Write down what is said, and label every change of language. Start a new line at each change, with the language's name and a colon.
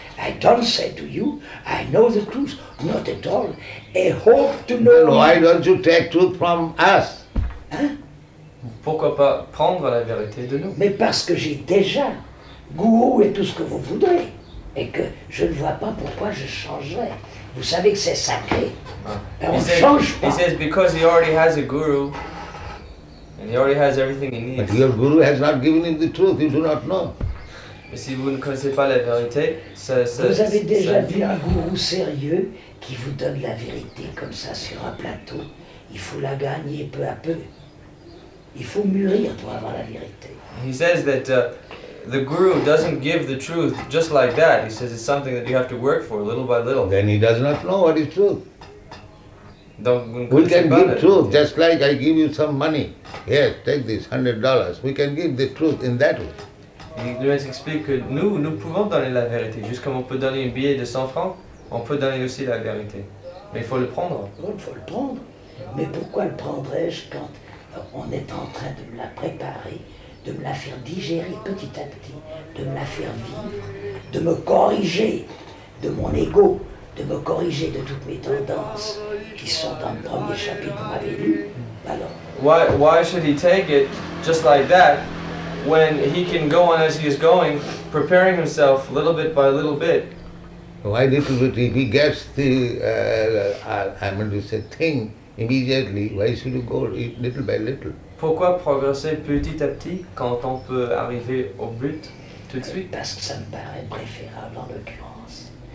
English: I don't say to you, I know the truth, not at all. I hope to know... Then why don't you take truth from us?
French: Hein? Pourquoi pas prendre la vérité de nous? Mais parce que j'ai déjà Guru et tout ce que vous voudrez. Et que je ne vois pas pourquoi je changerais. Vous savez que c'est sacré. Ah. Et on ne change pas.
English: He says, because he already has a Guru, and he already has everything he needs. But your Guru has not given him the truth, you do not know.
French: Mais si vous ne connaissez pas la vérité, ça... Vous avez déjà vu un Guru sérieux qui vous donne la vérité comme ça sur un plateau. Il faut la gagner peu à peu. Il faut mûrir pour avoir la vérité.
English: He says that the guru doesn't give the truth just like that. He says it's something that you have to work for little by little. Then he does not know what is truth.
French: Donc,
English: we can give truth just like I give you some money. Yes, take this $100. We can give the truth in that way.
French: Il nous explique que nous pouvons donner la vérité. Juste comme on peut donner un billet de 100 francs, on peut donner aussi la vérité. Mais il faut le prendre. Il faut le prendre. Mais pourquoi le prendrais-je quand... On est en train de me la préparer, de me la faire digérer petit à petit, de me la faire vivre, de me corriger de mon ego, de me corriger de toutes mes tendances qui sont dans le premier chapitre qu'on m'avait lu. Alors,
English: why should he take it just like that when he can go on as he is going, preparing himself little bit by little bit? Why little bit? If he gets the thing immediately, why should you go little by little?
French: Pourquoi progresser petit à petit quand on peut arriver au but tout de suite? Parce que ça me paraît préférable en l'occurrence.